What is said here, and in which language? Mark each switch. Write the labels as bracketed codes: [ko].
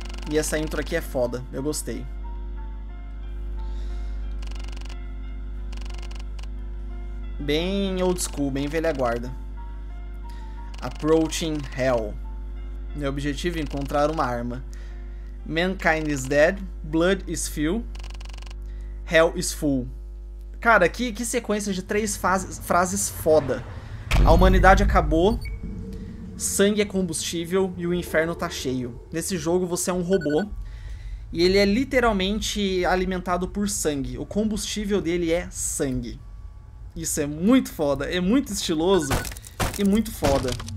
[pt] E essa intro aqui é foda, eu gostei. Bem old school, bem velha guarda. Approaching Hell. Meu objetivo é encontrar uma arma. [en] Mankind is dead, blood is few, hell is full. [pt] Cara, que sequência de três frases foda. A humanidade acabou, sangue é combustível e o inferno tá cheio. Nesse jogo você é um robô e ele é literalmente alimentado por sangue. O combustível dele é sangue. Isso é muito foda, é muito estiloso e muito foda.